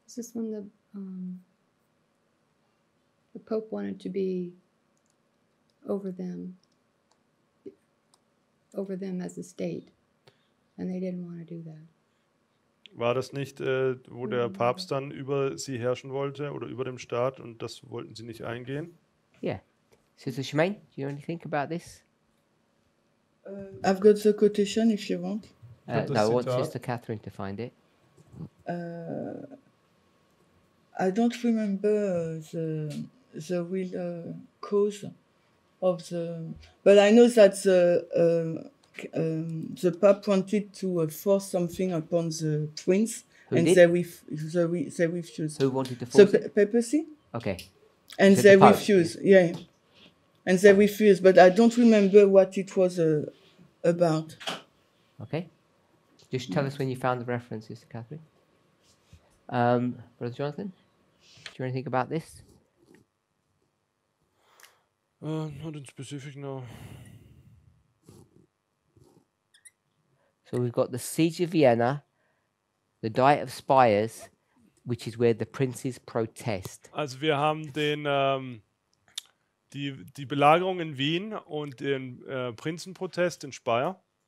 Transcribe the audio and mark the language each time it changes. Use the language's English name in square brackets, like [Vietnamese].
[English] This is when the Pope wanted to be over them as a state, and they didn't want to do that. [German] War das nicht, wo der Papst dann über sie herrschen wollte oder über dem Staat und das wollten sie nicht eingehen? [English] Yeah. Sister Shemaine, do you only think about this? I've got the quotation if you want. No, I want Sister Catherine to find it. I don't remember the real cause of the... But I know that the Pope wanted to force something upon the prince. Who and did? They refused. Who wanted to force the papacy? Okay. And so they refused, yeah. And they refused, but I don't remember what it was about. Okay. Just tell us when you found the references, Catherine. Brother Jonathan, do you anything about this? Not in specific, no. So we've got the Siege of Vienna, the Diet of Spires, which is where the princes protest. [German] Also wir haben den die Belagerung in Wien und den Prinzenprotest in Speyer.